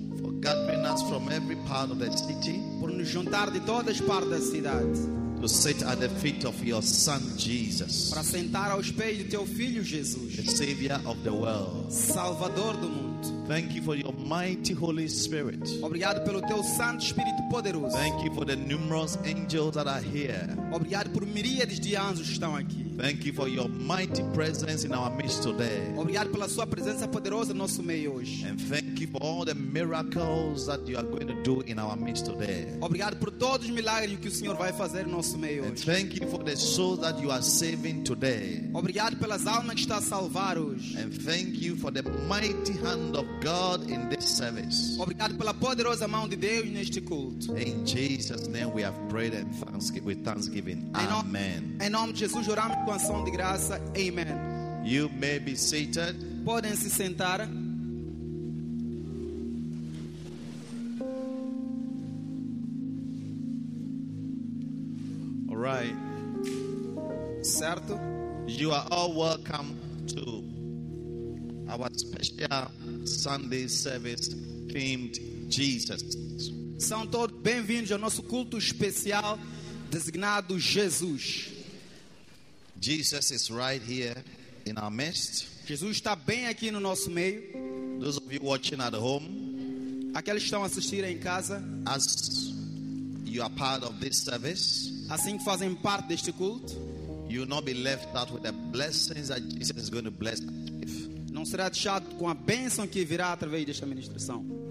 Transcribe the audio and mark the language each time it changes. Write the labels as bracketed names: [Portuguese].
[English] For gathering us from every part of the city. [Portuguese] Por nos juntar de todas as partes da cidade. [English] To sit at the feet of your Son Jesus. [Portuguese] Para sentar aos pés do teu filho Jesus. [English] The Savior of the world. [Portuguese] Salvador do mundo. [English] Thank you for your mighty Holy Spirit. [Portuguese] Obrigado pelo teu Santo Espírito poderoso. [English] Thank you for the numerous angels that are here. [Portuguese] Obrigado por miríades de anjos que estão aqui. [English] Thank you for your mighty presence in our midst today. [Portuguese] Obrigado pela sua presença poderosa no nosso meio hoje. [English] And thank you for all the miracles that you are going to do in our midst today. [Portuguese] Obrigado por todos os milagres que o Senhor vai fazer no nosso meio hoje. [English] And thank you for the souls that you are saving today. [Portuguese] Obrigado pelas almas que está a salvar hoje. [English] And thank you for the mighty hand of God in this service. [Portuguese] Obrigado pela poderosa mão de Deus neste culto. [English] In Jesus' name we have prayed and thanksgiving with thanksgiving. Amen. [Portuguese] Em nome de Jesus oramos. Amen. [English] You may be seated. [Portuguese] Podem se sentar. [English] All right. [Portuguese] Certo. [English] You are all welcome to our special Sunday service themed Jesus. [Portuguese] São todos bem-vindos ao nosso culto especial designado Jesus. [English] Jesus is right here in our midst. [Portuguese] Jesus está bem aqui no nosso meio. [English] Those of you watching at home, [Portuguese] aqueles que estão a assistir em casa, [English] as you are part of this service, [Portuguese] assim que fazem parte deste culto, [English] you will not be left out with the blessings that Jesus is going to bless us with. [Portuguese] Não será deixado com a bênção que virá através desta ministração.